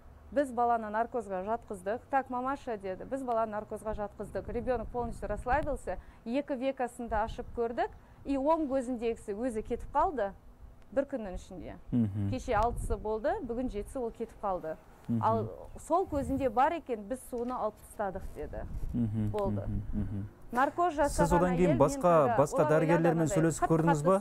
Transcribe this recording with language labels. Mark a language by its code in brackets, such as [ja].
[kk] Біз баланы наркозға жатқыздық. Так, мамаша деді, біз баланы наркозға жатқыздық. [ru] Ребенок полностью расслабился, [kk] екі векасында ашып көрдік. И оң көзіндегісі өзі кетіп қалды бір күннің ішінде. Кеше 6-сы болды, бүгін 7-сі ол кетіп қалды. Ал сол көзінде бар екен, біз соны алып тастадық деді. Болды. Наркоз жасаған әйел... Сіз одан кейін басқа дәрігерлермен сөйлесіп көрдіңіз ба?